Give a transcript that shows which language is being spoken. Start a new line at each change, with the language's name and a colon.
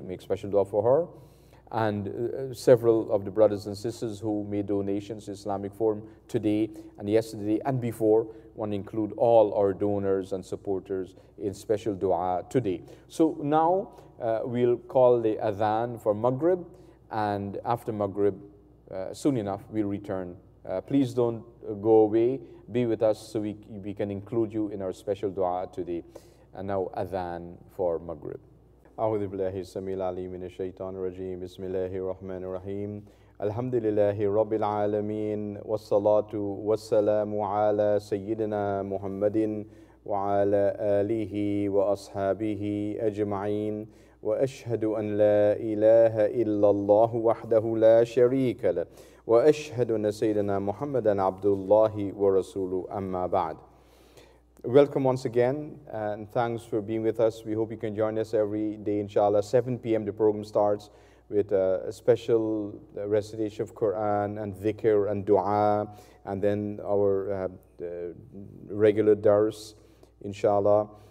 English: Make special dua for her. And several of the brothers and sisters who made donations to Islamic Forum today and yesterday and before, want to include all our donors and supporters in special dua today. So now we'll call the adhan for Maghrib, and after Maghrib, soon enough, we'll return. Please don't go away. Be with us so we can include you in our special dua today. And now adhan for Maghrib.
Arabic: أعوذ بالله السميع العليم من الشيطان الرجيم بسم الله الرحمن الرحيم الحمد لله رب العالمين والصلاة والسلام على سيدنا محمد وعلى آله وأصحابه أجمعين وأشهد أن لا إله إلا الله وحده لا شريك له وأشهد أن سيدنا محمدا عبد الله ورسوله أما بعد.
English: Welcome once again, and thanks for being with us. We hope you can join us every day, inshallah. 7 p.m. the program starts with a special recitation of Quran and dhikr and dua, and then our regular dars, inshallah.